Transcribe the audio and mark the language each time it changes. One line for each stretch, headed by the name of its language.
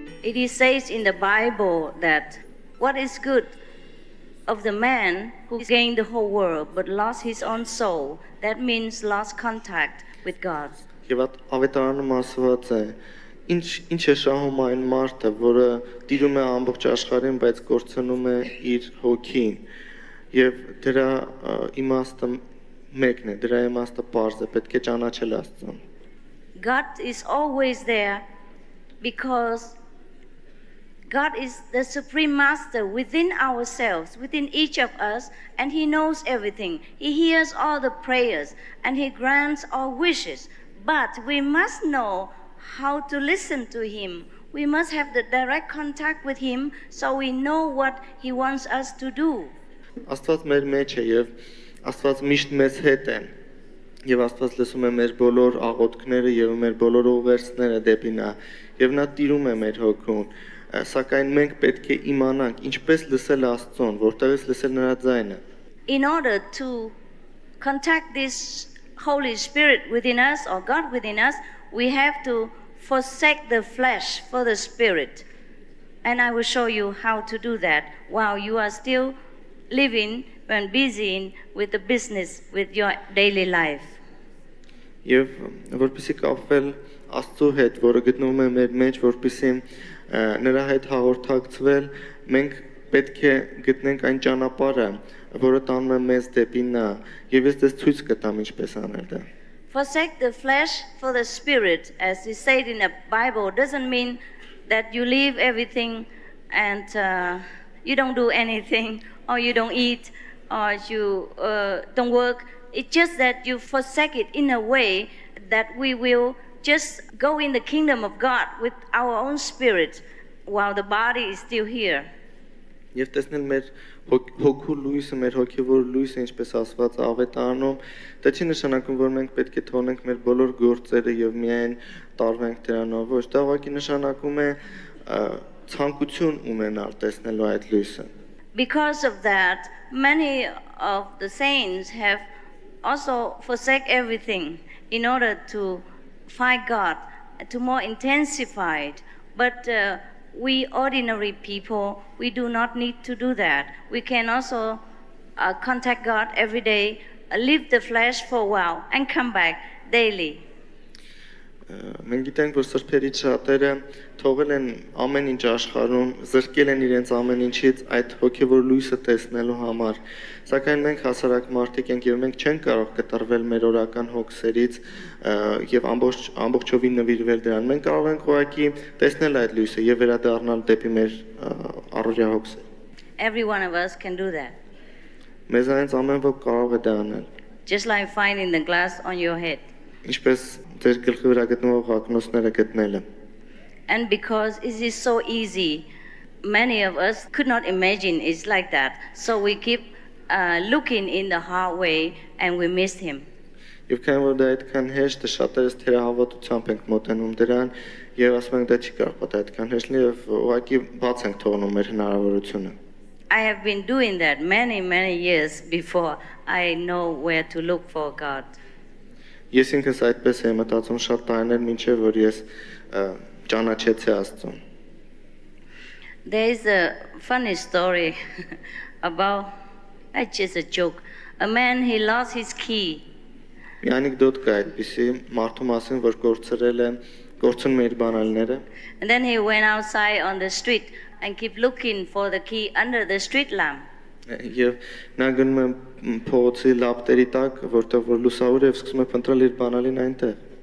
English: It is says in the Bible that what is good of the man who gained the whole world but lost his own soul, that means lost contact with God.
Armenian: Եվ ավետարանում ասված է, ինչ է շահում այն մարդը, որը տիրում է ամբողջ աշխարհին, բայց կորցնում է իր հոգին։ Եվ դրա իմաստը մեկն է, դրա իմաստը պարզ է, պետք է ճանաչել Աստծուն։
English: God is always there because God is the supreme master within ourselves, within each of us, and he knows everything. He hears all the prayers and he grants all wishes. But we must know how to listen to him. We must have the direct contact with him so we know what he wants us to do.
Armenian: Աստված մեր մեջ է եւ Աստված միշտ մեզ հետ է եւ Աստված լսում է մեր բոլոր աղոթքները եւ մեր բոլոր ուղերձները դեպի նա եւ նա տիրում է մեր հոգուն, սակայն մենք պետք է իմանանք ինչպես լսել Աստծուն, որտեղից լսել նրա ձայնը.
English: In order to contact this Holy Spirit within us or God within us, we have to forsake the flesh for the spirit. And I will show you how to do that while you are still living and busy with the business with your daily life.
Armenian: Եվ որպեսզի կապվել Աստծու հետ, որը գտնվում է մեր մեջ, որպեսզի նրա հետ հաղորդակցվել, մենք պետք է գտնենք այն ճանապարհը, որը տանում է մեզ դեպի նա, եւ ես դες ցույց կտամ ինչպես անել դա.
English: Forsake the flesh for the spirit, as is said in the Bible, doesn't mean that you leave everything and you don't do anything, or you don't eat, or you don't work. It's just that you forsake it in a way that we will just go in the kingdom of God with our own spirit while the body is still here.
Armenian: Եվ տեսնել մեր հոգու լույսը, մեր հոգևոր լույսը, ինչպես ասված ավետարանում, դա չի նշանակում, որ մենք պետք է թողնենք մեր բոլոր գործերը եւ միայն տարվենք դրանով, ոչ, դա ուղղակի նշանակում է ցանկություն ունենալ տեսնելու այդ լույսը.
English: Because of that, many of the saints have also forsake everything in order to find God, to more intensify it. But we ordinary people, we do not need to do that. We can also contact God every day, leave the flesh for a while, and come back daily.
Armenian: Մենք գիտենք, որ սրբերի շատերը թողել են ամեն ինչ աշխարհում, զրկել են իրենց ամեն ինչից այդ հոգևոր լույսը տեսնելու համար, սակայն մենք հասարակ մարդիկ ենք եւ մենք չենք կարող կտրվել մեր օրական հոգսերից եւ ամբողջովին նվիրվել դրան։ Մենք կարող ենք ուղղակի տեսնել այդ լույսը եւ վերադառնալ դեպի մեր առօրյա հոգսը։
English: Every one of us can do that.
Armenian: Մեզանից ամեն ոք կարող է դա անել։
English: Just like finding the glass on your head.
Armenian: Ինչպես ձեր գլխի վրա գտնվող ակնոցները գտնելը։
English: And because it is so easy, many of us could not imagine it's like that. So we keep looking in the hard way and we miss him.
Armenian: Եվ քանի որ դա այդքան հեշտ է, շատերս թերահավատությամբ ենք մոտենում դրան եւ ասում ենք դա չի կարող պատ այդքան հեշտ լինի եւ ուղղակի բաց ենք թողնում մեր հնարավորությունը։
English: I have been doing that many years before I know where to look for God.
Armenian: Ես ինքս այդպես եմ մտածում շատ տարիներ, մինչև որ ես ճանաչեցի Աստծուն։
English: There is a funny story about, it's just a joke. A man, he lost his key.
Armenian: Մի անեկդոտ կա այդպիսի, մարդու մասին, որ կորցրել է, կորցնում է իր բանալիները։
English: And then he went outside on the street and keep looking for the key under the street lamp.
Armenian: Եվ նա գնում է փողոցի լապտերի տակ, որտեղ որ լուսավոր է, սկսում է փնտրել իր բանալին այնտեղ։